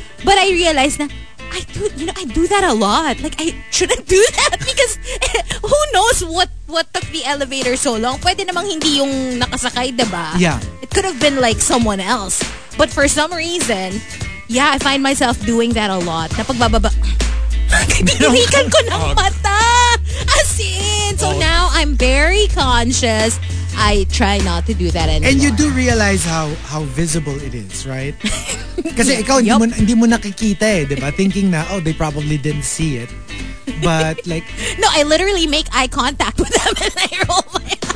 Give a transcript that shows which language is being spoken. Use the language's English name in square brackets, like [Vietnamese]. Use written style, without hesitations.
[English] But I realized na, I do that a lot. Like, I shouldn't do that because who knows what took the elevator so long? [Filipino] Pwede namang hindi yung nakasakay, diba? [English] Yeah. It could have been like someone else. But for some reason, yeah, I find myself doing that a lot. [Filipino] Na pagbababa, pinilikan ko ng mata! [English] As in! So now, I'm very conscious. I try not to do that anymore. And you do realize how visible it is, right? [Filipino] Kasi ikaw, hindi mo nakikita eh, diba? [English] Thinking na, oh, they probably didn't see it. But like... No, I literally make eye contact with them and I roll my eyes.